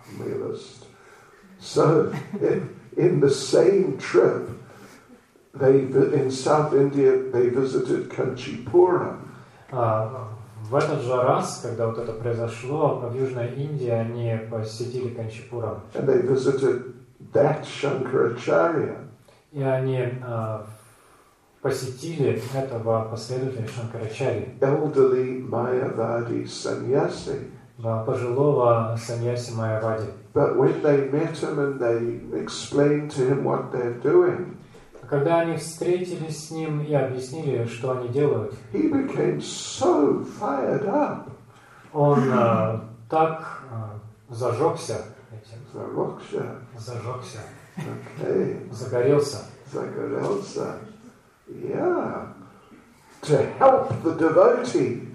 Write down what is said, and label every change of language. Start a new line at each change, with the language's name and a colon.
Russian: Милость.
English: So, in the same trip, they in South India they visited Kanchipuram.
Russian: В этот же раз, когда вот это произошло, в Южной Индии они посетили Канчипурам.
English: And they visited that Shankaracharya.
Russian: И они посетили этого последователя Шанкарачарьи.
English: Elderly Mayavadi sannyasi.
Russian: Пожилого саньяси Майявади.
English: But when they met him and they explained to him what they're doing,
Russian: когда они встретились с ним и объяснили, что они делают,
English: he became so fired up.
Russian: Он так зажегся этим. Зажегся. Okay. Загорелся. Загорелся.
English: Yeah. To help the devotee.